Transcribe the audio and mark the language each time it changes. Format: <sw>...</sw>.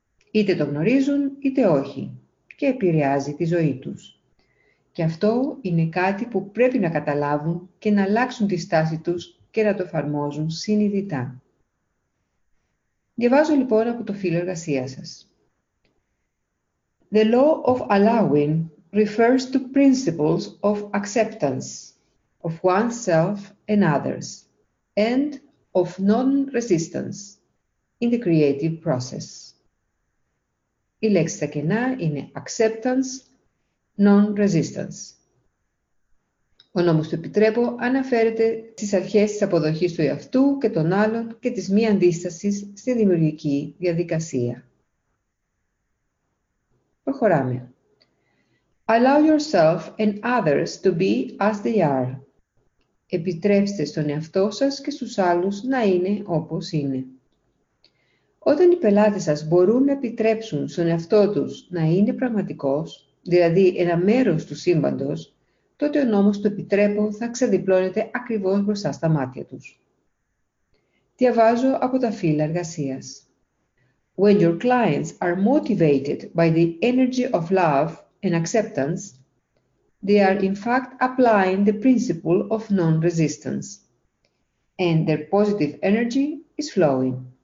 <el>Είτε το γνωρίζουν είτε όχι και επηρεάζει τη ζωή τους. Και αυτό είναι κάτι που πρέπει να καταλάβουν και να αλλάξουν τη στάση τους και να το εφαρμόζουν συνειδητά. Διαβάζω λοιπόν από το φύλλο εργασίας σας.</el> <en>The law of allowing refers to principles of acceptance of oneself and others and of non-resistance in the creative process.</en> <el>Οι λέξεις στα κενά είναι acceptance, non-resistance. Ο νόμος του επιτρέπω αναφέρεται στις αρχές της αποδοχής του εαυτού και των άλλων και της μη αντίστασης στη δημιουργική διαδικασία. Προχωράμε.</el> <en>Allow yourself and others to be as they are.</en> <el>Επιτρέψτε στον εαυτό σας και στους άλλους να είναι όπως είναι. Όταν οι πελάτες σας μπορούν να επιτρέψουν στον εαυτό τους να είναι πραγματικός, δηλαδή ένα μέρος του σύμπαντος, τότε ο νόμος του επιτρέπω θα ξεδιπλώνεται ακριβώς μπροστά στα μάτια τους. Διαβάζω από τα φύλλα εργασίας.</el> <en>When your clients are motivated by the energy of love and acceptance, they are in fact applying the principle of non-resistance and their positive energy is flowing.</en>